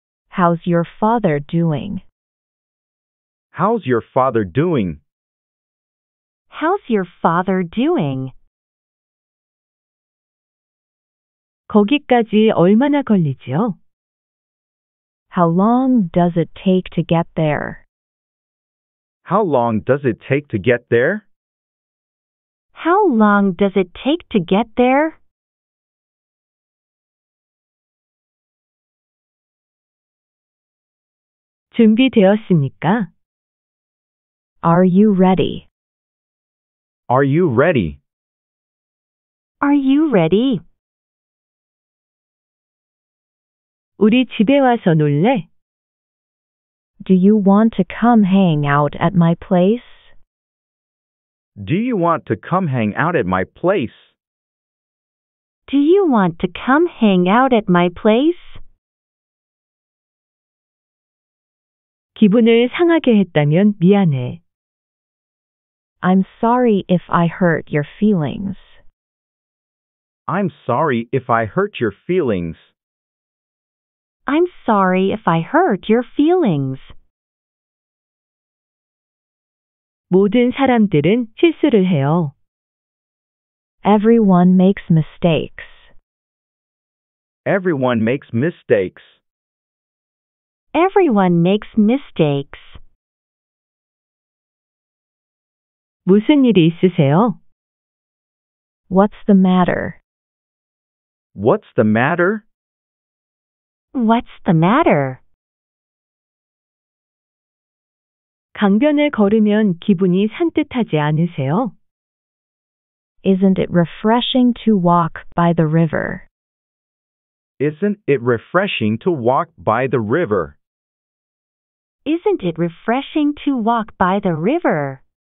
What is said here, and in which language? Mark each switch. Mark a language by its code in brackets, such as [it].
[en] How's your father doing? How's your father doing? How's your father doing? [ko] 거기까지 얼마나 걸리죠? [en] How long does it take to get there? How long does it take to get there? How long does it take to get there? [ko] 준비되었습니까? [en] Are you ready? Are you ready? Are you ready? [ko] 우리 집에 와서 놀래? [en] Do you want to come hang out at my place? Do you want to come hang out at my place? Do you want to come hang out at my place? [ko] 기분을 상하게 했다면 미안해. [en] I'm sorry if I hurt your feelings. I'm sorry if I hurt your feelings. I'm sorry if I hurt your feelings. [ko] 모든 사람들은 실수를 해요. [en] Everyone makes mistakes. Everyone makes mistakes. Everyone makes mistakes. [ko] 무슨 일이 있으세요? [en] What's the matter? What's the matter? What's the matter? [ko] 강변을 걸으면 기분이 산뜻하지 않으세요? [en] Isn't it refreshing to walk by the river? Isn't it refreshing to walk by the river? Isn't it refreshing to walk by the river?